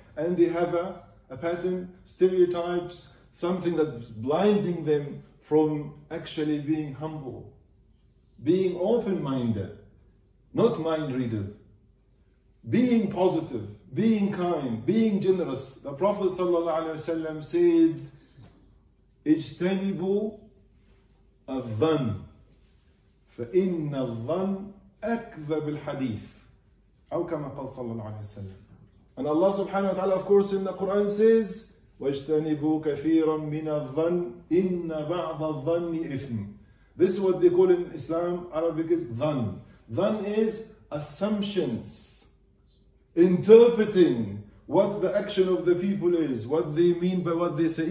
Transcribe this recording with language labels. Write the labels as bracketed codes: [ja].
[en] And they have a pattern, stereotypes, something that's blinding them from actually being humble, being open-minded, not mind-readers, being positive, being kind, being generous. The Prophet ﷺ said, [ar] اجتنبوا الظن فإن الظن أكذب الحديث أو كما قال صلى الله عليه وسلم. [en] And Allah subhanahu wa ta'ala, of course, in the Quran says, [ar] وَاجْتَنِبُوا كَثِيرًا مِنَ الظَّنِّ إِنَّ بَعْضَ الظَّنِّ إِثْمٍ. [en] This is what they call in Islam, Arabic is dhan. Dhan is assumptions, interpreting what the action of the people is, what they mean by what they say.